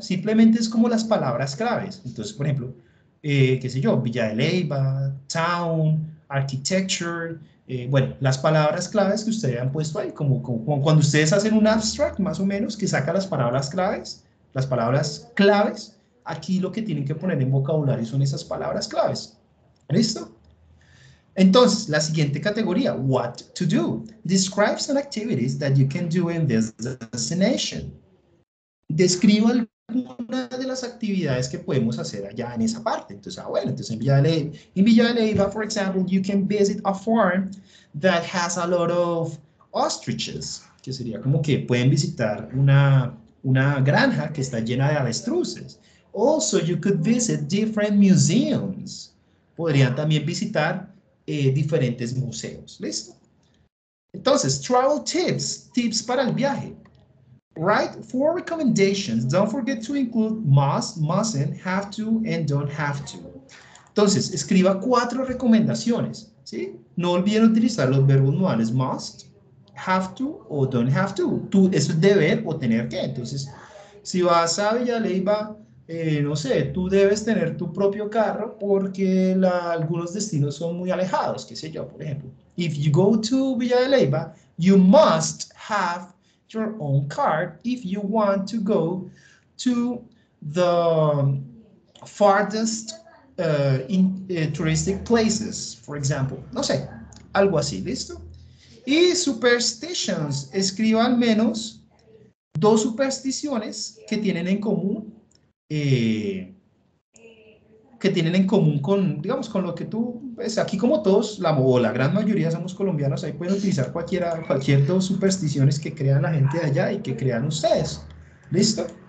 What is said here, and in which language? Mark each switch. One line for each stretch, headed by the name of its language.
Spanish: Simplemente es como las palabras claves. Entonces, por ejemplo, qué sé yo, Villa de Leyva, town, architecture, bueno, las palabras claves que ustedes han puesto ahí, como cuando ustedes hacen un abstract, más o menos, que saca las palabras claves, aquí lo que tienen que poner en vocabulario son esas palabras claves. ¿Listo? Entonces, la siguiente categoría,
English: what to do. Describe some activities that you can do in this destination.
Spanish: Describo algunas de las actividades que podemos hacer allá en esa parte. Entonces, entonces en Villa de Leyva,
English: for example, you can visit a farm that has a lot of ostriches,
Spanish: que sería como que pueden visitar una granja que está llena de avestruces.
English: Also, you could visit different museums.
Spanish: Podrían también visitar diferentes museos. ¿Listo? Entonces,
English: travel tips,
Spanish: tips para el viaje.
English: Write 4 recommendations. Don't forget to include must, mustn't, have to, and don't have to.
Spanish: Entonces, escriba 4 recomendaciones. ¿Sí? No olviden utilizar los verbos modales must, have to, o don't have to. Tú, eso es deber o tener que. Entonces, si vas a Villa Leyva, tú debes tener tu propio carro porque algunos destinos son muy alejados, qué sé yo, por ejemplo.
English: If you go to Villa de Leyva, you must have your own car if you want to go to the farthest touristic places, for example.
Spanish: No sé, algo así, ¿listo? Y superstitions, escriba al menos 2 supersticiones que tienen en común con, digamos, con lo que tú, pues, aquí como todos, la gran mayoría somos colombianos, ahí pueden utilizar cualquier 2 supersticiones que crean la gente de allá y que crean ustedes. ¿Listo?